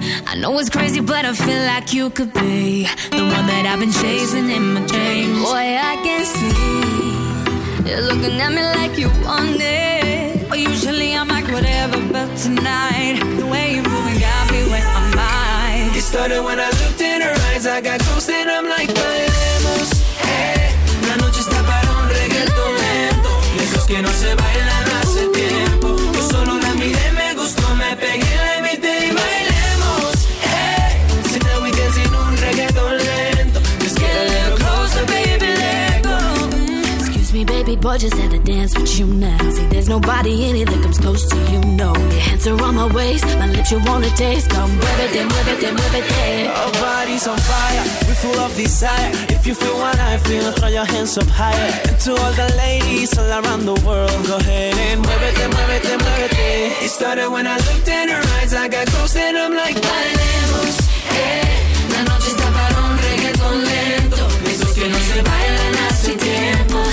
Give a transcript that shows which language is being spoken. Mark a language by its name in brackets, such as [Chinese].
[English] I know it's crazy, but I feel like you could be the one that I've been chasing in my dreams. Boy, I can see You're looking at me like you want it. Well, usually I'm like whatever, but tonight the way you're moving got me where I'm at. It started when I looked in her eyes. I got close and I'm like, bailemos. [Spanish] Hey, la noche está para un reggaeton lento. Esos que no se bailan hace tiempo. Yo solo la miré, me gustó, me pegué, la invité y bailemos. Hey, sin el weekend, sin un reggaeton lento. [English] Just get a little closer, baby, let go. Excuse me, baby boy, just had to dance with you now. See, there's nobody in here that comes close to you, no. Are on my waist, my lips you wanna taste. Come with it, then with it, then with it, yeah. Our bodies on fire, we full of desire. If you feel what I feel, throw your hands up higher. And to all the ladies all around the world, go ahead and move it, then move it, then move it. It started when I looked in her eyes. I got close and I'm like, bailemos, hey. [Spanish] La noche está para un reggaeton lento. Esos que no se bailan hace tiempo.